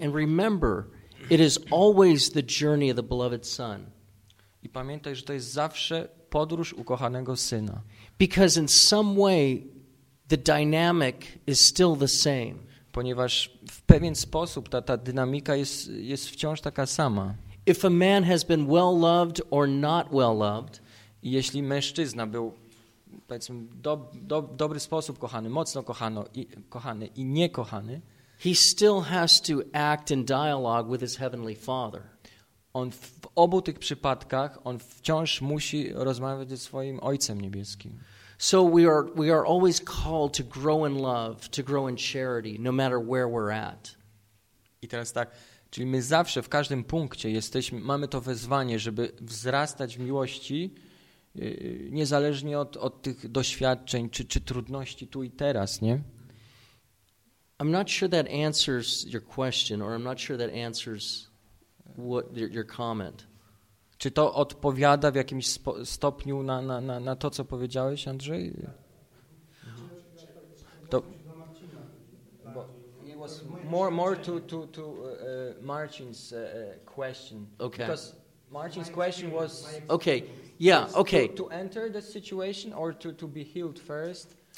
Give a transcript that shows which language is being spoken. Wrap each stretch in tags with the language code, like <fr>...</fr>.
<en>And remember, it is always the journey of the beloved son.</en> <pl>I pamiętaj, że to jest zawsze podróż ukochanego syna.</pl> <en>Because in some way the dynamic is still the same.</en> <pl>Ponieważ w pewien sposób ta dynamika jest wciąż taka sama.</pl> <en>If a man has been well loved or not well loved,</en> <pl>jeśli mężczyzna był, powiedzmy, dobry sposób kochany, mocno kochany i niekochany,</pl> <en>he still has to act in dialogue with his heavenly father.</en> <pl>On w obu tych przypadkach on wciąż musi rozmawiać ze swoim Ojcem Niebieskim.</pl> <en>So we are always called to grow in love, to grow in charity, no matter where we're at.</en> <pl>I teraz tak, czyli my zawsze w każdym punkcie mamy to wezwanie, żeby wzrastać w miłości, niezależnie od tych doświadczeń czy trudności tu i teraz, nie?</pl> <en>I'm not sure that answers your question, or I'm not sure that answers what your comment.</en> <pl>Czy to odpowiada w jakimś stopniu na to, co powiedziałeś, Andrzej?</pl> <en>To it was more to Marcin's question. Okay. Because Marcin's question was okay. Yeah, okay. To enter the situation or to be healed first?</en>